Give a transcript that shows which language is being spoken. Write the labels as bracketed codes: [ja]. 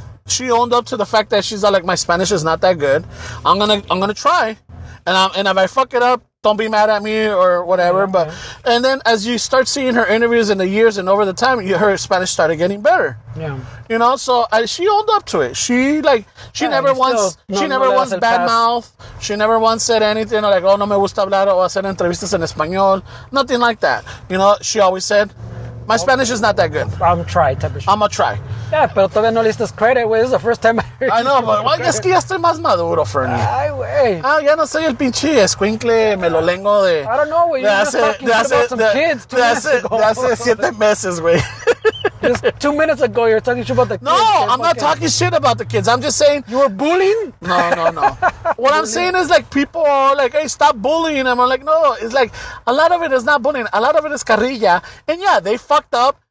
[en] She owned up to the fact that she's like, my Spanish is not that good. I'm gonna try. And if I fuck it up, don't be mad at me or whatever. Yeah, but and then as you start seeing her interviews in the years and over the time, her Spanish started getting better. Yeah. You know, so she owned up to it. She never once badmouthed. She never once said anything like, oh, [es] no me gusta hablar o hacer entrevistas en español. [en] Nothing like that. You know, she always said, my Spanish is not that good. I'm try, type of shit. I'm going to try. Yeah, [es] pero todavía no listas [en] credit, güey. This is the first time I heard you. I know, but well, [es] es que ya estoy más maduro, [en] Fernie. [es] Ay, güey. Ah, ya no soy el pinche escuincle, me lo lengo de... [en] I don't know, güey. You're just talking about some kids 2 minutes ago. [es] De hace 7 meses, güey. [en] Just 2 minutes ago, you're talking shit about the kids. No, I'm not talking shit about the kids. I'm just saying... You were bullying? No. What I'm saying is, like, people are like, hey, stop bullying. And I'm like, no. It's like, a lot of it is not bullying. A lot of it is carrilla. And yeah, they fucked up.